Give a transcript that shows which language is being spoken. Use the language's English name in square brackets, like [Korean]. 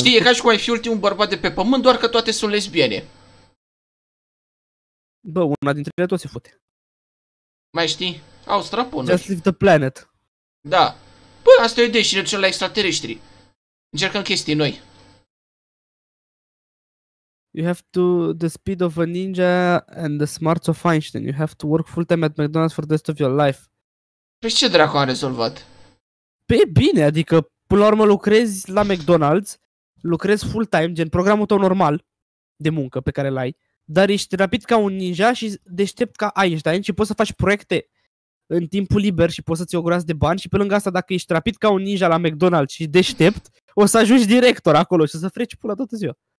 [Romanian] Știi, e ca și cum ai fi ultimul bărbat de pe pământ, doar că toate sunt lesbiene. Bă, una dintre ele toți se fute. Mai știi? Au strapunuri. [English] Just leave the planet. [Romanian] Da. Bă, asta e o idee și ne ducem la extraterestri. Încercăm chestii noi. [English] You have to the speed of a ninja and the smarts of Einstein. You have to work full time at McDonald's for the rest of your life. [Romanian] Păi ce dracu am rezolvat? Păi bine, adică până la urmă lucrezi la McDonald's, lucrezi full time, gen programul tău normal de muncă pe care l-ai, dar ești rapid ca un ninja și deștept ca Einstein și poți să faci proiecte în timpul liber și poți să-ți ogorezi de bani și pe lângă asta dacă ești rapid ca un ninja la McDonald's și deștept, o să ajungi director acolo și o să freci pula toată ziua.